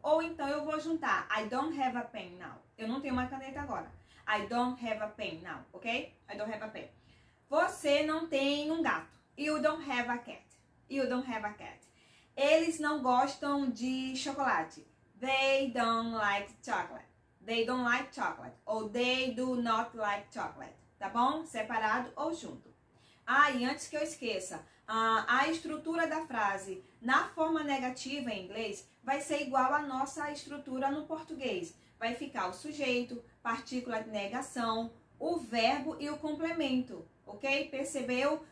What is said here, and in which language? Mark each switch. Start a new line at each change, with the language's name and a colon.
Portuguese: Ou então eu vou juntar
English: I don't have a pen now.
Portuguese: Eu não tenho uma caneta agora.
English: I don't have a pen now, ok? I don't have a pen.
Portuguese: Você não tem um gato.
English: You don't have a cat. You don't have a cat.
Portuguese: Eles não gostam de chocolate.
English: They don't like chocolate. They don't like chocolate. Ou they do not like chocolate.
Portuguese: Tá bom? Separado ou junto. Ah, e antes que eu esqueça, a estrutura da frase na forma negativa em inglês vai ser igual à nossa estrutura no português. Vai ficar o sujeito, partícula de negação, o verbo e o complemento. Ok? Percebeu?